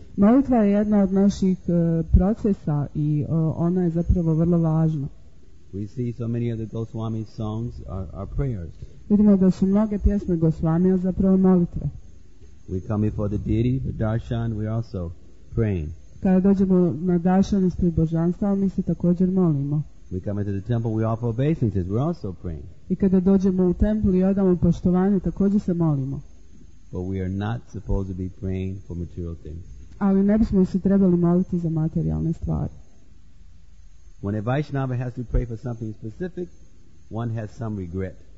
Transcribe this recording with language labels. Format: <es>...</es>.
<hr>Molitva je jedna od naših procesa i ona je zapravo vrlo važna.</hr> <en>We see so many of the Goswami's songs are prayers.</en> <hr>Vidimo da su mnoge pjesme Goswami zapravo molitve.</hr> <en>We come before the deity, the darshan, we are also praying.</en> <hr>Kada dođemo na darshan ispred božanstva, mi se također molimo.</hr> <en>We come into the temple, we offer obeisances, we are also praying.</en> <hr>I kada dođemo u tempel i odamo poštovanje, također se molimo.</hr> <en>But we are not supposed to be praying for material things.</en> <hr>Ali ne bismo se trebali moliti za materijalne stvari.</hr> <en>When a Vaishnava has to pray for something specific, one has some regret.</en>